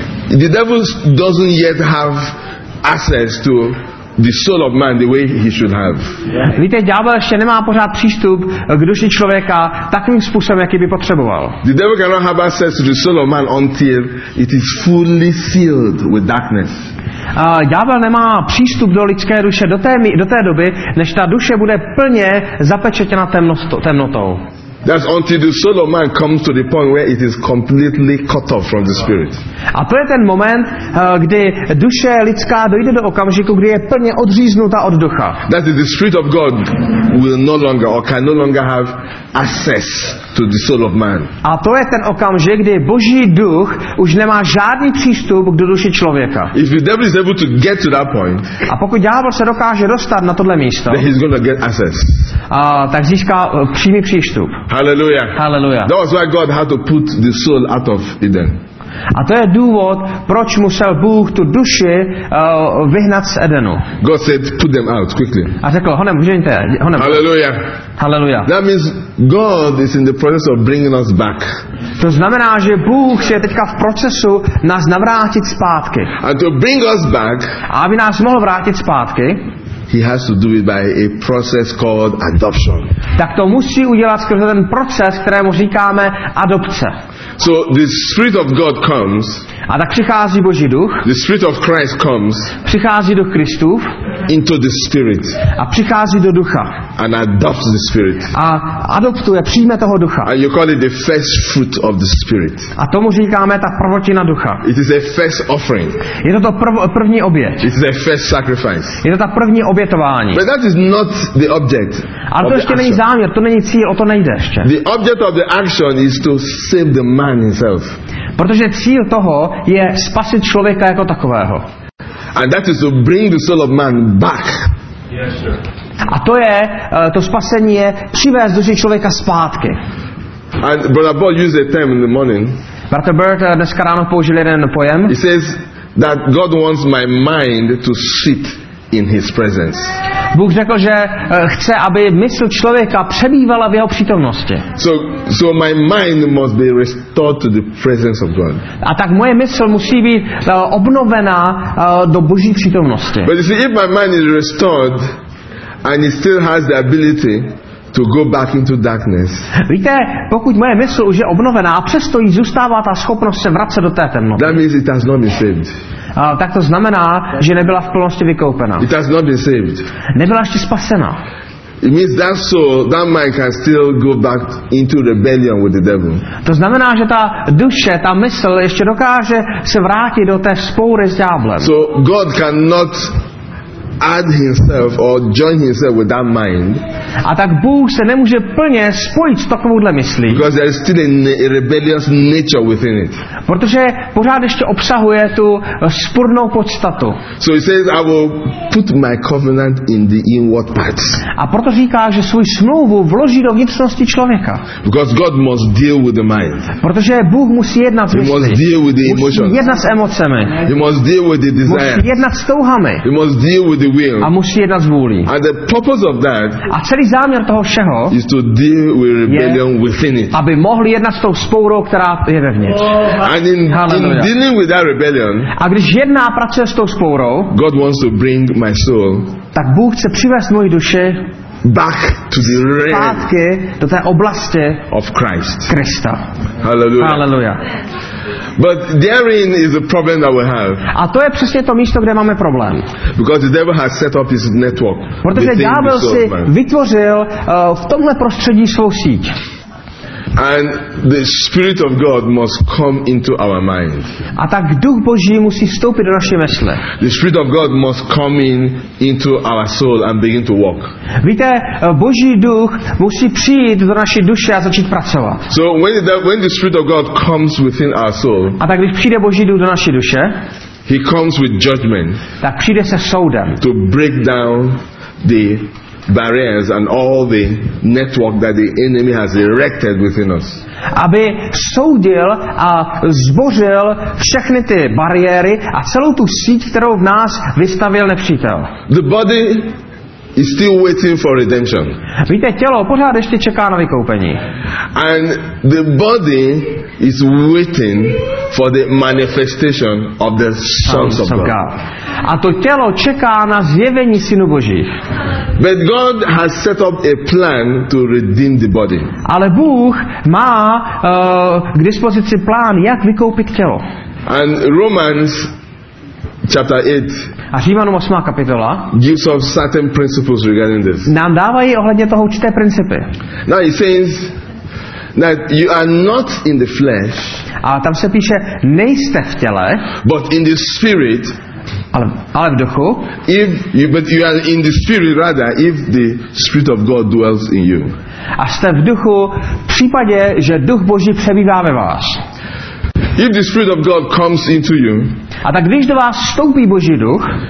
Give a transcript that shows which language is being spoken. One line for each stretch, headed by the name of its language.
English: The devil doesn't yet have access to the soul of man the way he should have.
Czech: Víte, ďábel ještě nemá pořád přístup k duši člověka takovým způsobem, jaký by potřeboval.
English: The devil cannot have access to the soul of man until it is fully filled with darkness.
Czech: Ďábel nemá přístup do lidské duše do té doby, než ta duše bude plně zapečetěna temnotou.
English: That's until the soul of man comes to the point where it is completely cut off from the spirit.
Czech: A to je ten moment, kdy duše lidská dojde do okamžiku, kdy je plně odříznuta od ducha.
English: That is the spirit of God will no longer or can no longer have access to the soul of man.
Czech: A to je ten okamžik, kdy Boží duch už nemá žádný přístup k duši člověka.
English: If the devil is able to get to that point,
Czech: a pokud ďábel se dokáže dostat na tohle místo,
English: then he's going to get access.
Czech: Tak získá přímý přístup.
English: Hallelujah.
Czech: Hallelujah.
English: That was why God had to put the soul out of Eden.
Czech: A to je důvod, proč musel Bůh tu duši vyhnat z Edenu.
English: God said, put them out quickly.
Czech: A řekl, honem, vyhněte, honem.
English: Hallelujah.
Czech: Hallelujah.
English: That means God is in the process of bringing us back.
Czech: To znamená, že Bůh je teďka v procesu nás navrátit zpátky.
English: And to bring us back.
Czech: A aby nás mohl vrátit zpátky.
English: he has to do it by a process called adoption.
Czech: Tak to musí udělat skrze ten proces, kterému říkáme adopce.
English: So the Spirit of God comes.
Czech: A tak přichází Boží duch.
English: The Spirit of Christ comes.
Czech: Přichází do Kristův.
English: Into the Spirit.
Czech: A přichází do ducha.
English: And adopts the Spirit.
Czech: A adoptuje, přijme toho ducha.
English: And you call it the first fruit of the Spirit.
Czech: A tomu říkáme ta prvotina ducha.
English: It is a first offering.
Czech: Je to první oběť.
English: It is a first sacrifice.
Czech: Je to ta první obětování.
English: But that is not the object.
Czech: Ale to ještě není záměr, to není cíl, o to nejde ještě.
English: The object of the action is to save the man himself.
Czech: Protože cíl toho je spasit člověka jako takového.
English: And that is to bring the soul of man back.
Czech: A to je to spasení je přivést duši člověka zpátky.
English: And Brother Paul used a term in the morning.
Czech: Brother Bert dneska ráno použil jeden pojem.
English: He says that God wants my mind to sit in his presence.
Czech: Bůh řekl, že chce, aby mysl člověka přebývala v jeho přítomnosti.
English: So my mind must be restored to the presence of God.
Czech: A tak moje mysl musí být obnovena do Boží přítomnosti.
English: But you see, if my mind is restored and it still has the ability to go back into darkness.
Czech: Víte, pokud moje mysl už je obnovená a přesto jí zůstává ta schopnost se vracet do té temnoty.
English: That means it has not been saved.
Czech: Tak to znamená, že nebyla v plnosti vykoupena.
English: It has not been saved.
Czech: Nebyla ještě spasena.
English: It means that soul, that mind can still go back into rebellion with the devil.
Czech: To znamená, že ta duše, ta mysl ještě dokáže se vrátit do té spoury s ďáblem.
English: So God cannot add himself or join himself with that mind.
Czech: A tak Bůh se nemůže plně spojit s takovouhle myslí.
English: Because there is still a rebellious nature within it.
Czech: Protože pořád ještě obsahuje tu spornou podstatu.
English: So he says, I will put my covenant in the inward parts.
Czech: A proto říká, že svou smlouvu vloží do vnitřnosti člověka.
English: Because God must deal with the mind.
Czech: Protože Bůh musí jednat s myslí.
English: He must deal with the emotions.
Czech: Musí jednat s emocemi.
English: He must deal with the desires.
Czech: Musí jednat s touhami.
English: He must deal with the will.
Czech: A musí jednat s vůlí.
English: And the purpose of that.
Czech: A celý záměr toho všeho
English: is to deal with rebellion
Czech: je,
English: within it.
Czech: Aby mohli jednat s tou spourou, která je vevnitř.
English: And in dealing with that rebellion,
Czech: a když jedná a pracuje s tou spourou,
English: God wants to bring my soul,
Czech: tak Bůh chce přivést moji duši
English: back to the realm
Czech: do té oblasti
English: of Christ.
Czech: Krista.
English: Hallelujah.
Czech: Hallelujah.
English: But therein is the problem that we have.
Czech: A to je přesně to místo, kde máme problém.
English: Because the devil has set up his network.
Czech: Protože ďábel si vytvořil v tomhle prostředí svou síť.
English: And the Spirit of God must come into our mind.
Czech: A tak Duch Boží musí vstoupit do naší mysle.
English: The Spirit of God must come in into our soul and begin to work.
Czech: Víte, Boží duch musí přijít do naší duše a začít pracovat.
English: So when the Spirit of God comes within our soul.
Czech: A tak když přijde Boží duch do naší duše.
English: He comes with judgment.
Czech: Tak přijde se soudem.
English: To break down the barriers and all the network that the enemy has erected within us.
Czech: Aby soudil a zbořil všechny ty bariéry a celou tu síť, kterou v nás vystavil nepřítel.
English: The body is still waiting for redemption.
Czech: Víte, tělo pořád ještě čeká na vykoupení.
English: And the body is waiting for the manifestation of the sons of God.
Czech: A to tělo čeká na zjevení synů Božích.
English: But God has set up a plan to redeem the body.
Czech: Ale Bůh má k dispozici plán, jak vykoupit tělo.
English: And Romans chapter 8.
Czech: A Římanům 8. kapitola
English: gives us certain principles regarding this.
Czech: Nám dávají ohledně toho určité principy.
English: Now he says that you are not in the flesh.
Czech: A tam se píše, nejste v těle.
English: But in the spirit.
Czech: Ale v duchu.
English: If you, but you are in the spirit rather, if the Spirit of God dwells in you.
Czech: A jste v duchu, v případě, že Duch Boží přebývá ve vás.
English: If the Spirit of God comes into you.
Czech: A tak když do vás vstoupí Boží duch.